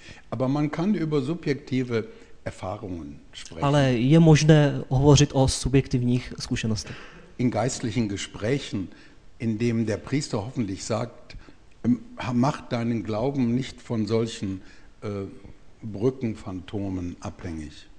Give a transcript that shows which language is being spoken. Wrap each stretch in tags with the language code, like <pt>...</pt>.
<de>Aber man kann über subjektive Erfahrungen sprechen.</de> <cs>Ale je možné hovořit o subjektivních zkušenostech.</cs> <de>In geistlichen Gesprächen, in dem der Priester hoffentlich sagt, mach deinen Glauben nicht von solchen Brückenphantomen abhängig.</de>